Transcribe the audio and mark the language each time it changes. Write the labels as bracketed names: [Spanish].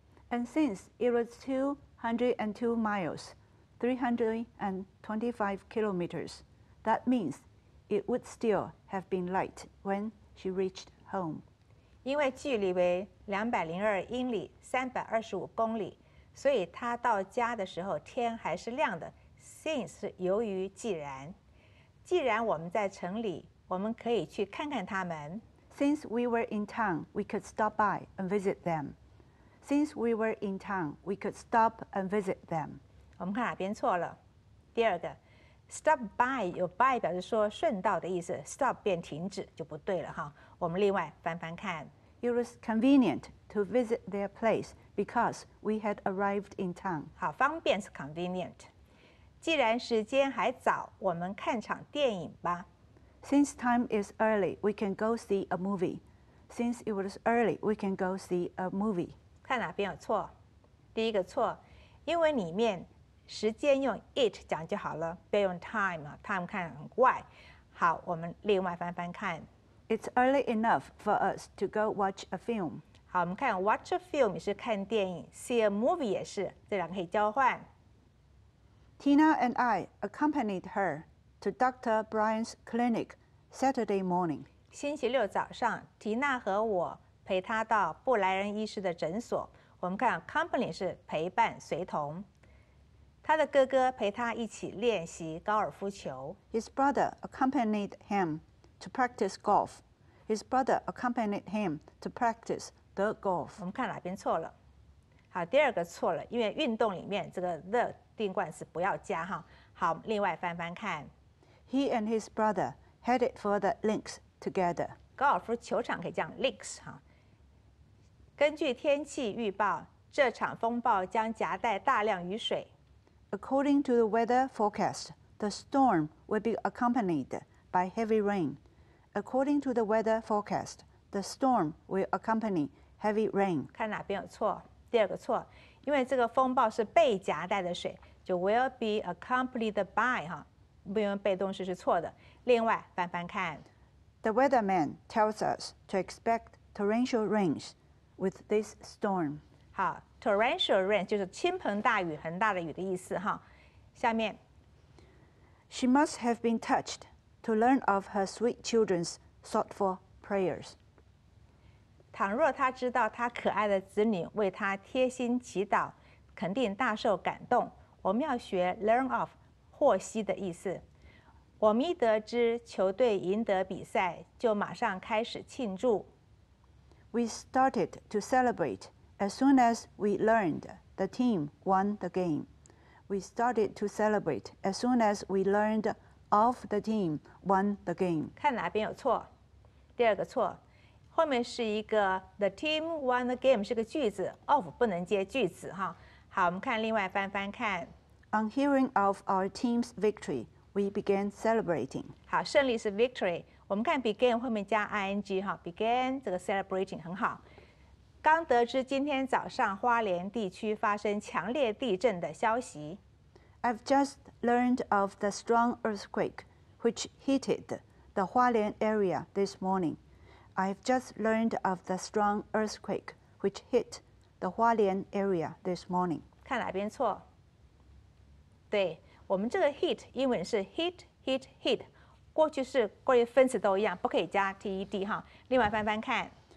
[English] And since it was 202 miles, 325 kilometers, that means it would still have been light when she reached home. [Chinese] 因为距离为202英里325公里，所以她到家的时候天还是亮的。 Since 是由于既然。既然我们在城里，我们可以去看看他们。 [English] Since we were in town, we could stop by and visit them. Since we were in town, we could stop and visit them. [Chinese] 我们看哪边错了。第二个 ,stop by, 有 by 表示说顺道的意思 ,stop 便停止就不对了哈。我们另外翻翻看。 [English] It was convenient to visit their place because we had arrived in town. [Chinese] 好，方便是 convenient。既然时间还早，我们看场电影吧。 [English] Since time is early, we can go see a movie. Since it was early, we can go see a movie. [Chinese] 看哪边有错？第一个错，英文里面时间用 it 讲就好了，不要用 time 啊。 time 看很怪。好，我们另外翻翻看。 [English] It's early enough for us to go watch a film。 [Chinese] 好，我们看 watch a film 是看电影 ，see a movie 也是，这两个可以交换。 [English] Tina and I accompanied her to Dr. Brian's clinic Saturday morning。 [Chinese] 星期六早上，缇娜和我。陪他到布莱恩医师的诊所。我们看 company 是陪伴、随同。他的哥哥陪他一起练习高尔夫球。 [English] His brother accompanied him to practice golf. His brother accompanied him to practice the golf. [Chinese] 我们看哪边错了？好，第二个错了，因为运动里面这个 the 定冠词不要加哈。好，另外翻翻看。 [English] He and his brother headed for the links together. [Chinese] 高尔夫球场可以讲 links 哈。根据天气预报，这场风暴将夹带大量雨水。 [English] According to the weather forecast, the storm will be accompanied by heavy rain. According to the weather forecast, the storm will accompany heavy rain. [Chinese] 看哪边有错？第二个错，因为这个风暴是被夹带的水，就 [English] will be accompanied by [Chinese] 哈，不用被动式是错的。另外翻翻看。 [English] The weatherman tells us to expect torrential rains with this storm. [Chinese] 好 ,torrential rain 就是倾盆大雨很大的雨的意思哈。下面 [English] She must have been touched to learn of her sweet children's thoughtful prayers. [Chinese] 倘若她知道她可爱的子女为她贴心祈祷肯定大受感动。我们要学 learn of, 获悉的意思。我们一得知球队赢得比赛，就马上开始庆祝。 [English] We started to celebrate as soon as we learned the team won the game. We started to celebrate as soon as we learned of the team won the game. [Chinese] 看哪边有错？第二个错，后面是一个 [English] the team won the game [Chinese] 是个句子 ，of 不能接句子哈。好，我们看另外翻翻看。 [English] On hearing of our team's victory. We began celebrating. [Chinese] 好，胜利是 victory. 我们看 began 后面加 ing 哈 ，began 这个 celebrating 很好。刚得知今天早上花莲地区发生强烈地震的消息。 [English] I've just learned of the strong earthquake which hit the Hualien area this morning. I've just learned of the strong earthquake which hit the Hualien area this morning. [Chinese] 看哪边错？对。我们这个 hit 英文是 hit hit hit， 过去式、过去分词都一样，不可以加 ted 哈。另外翻翻看。